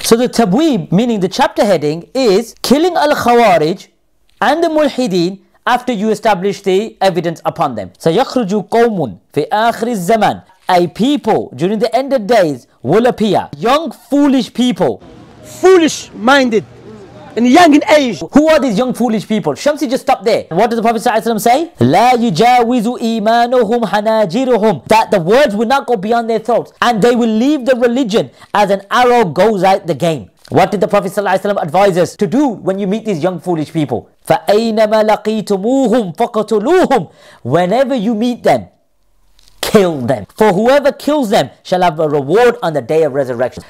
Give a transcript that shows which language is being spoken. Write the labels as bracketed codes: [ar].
[en] So the tabweeb, meaning the chapter heading, is killing al-Khawarij and the Mulhideen after you establish the evidence upon them. So [ar] yakhruju qawmun fi akhri zaman, [en] a people during the end of days will appear. Young foolish people. Foolish minded. And young in age. Who are these young foolish people? Shamsi, just stop there. What does the Prophet ﷺ say? [ar] لا يجاوز إيمانهم حناجرهم. [en] That the words will not go beyond their thoughts. And they will leave the religion as an arrow goes out the game. What did the Prophet ﷺ advise us to do when you meet these young foolish people? [ar] فَأَيْنَمَا لَقِيْتُمُوهُمْ فَقَتُلُوهُمْ. [en] Whenever you meet them, kill them. For whoever kills them shall have a reward on the day of resurrection.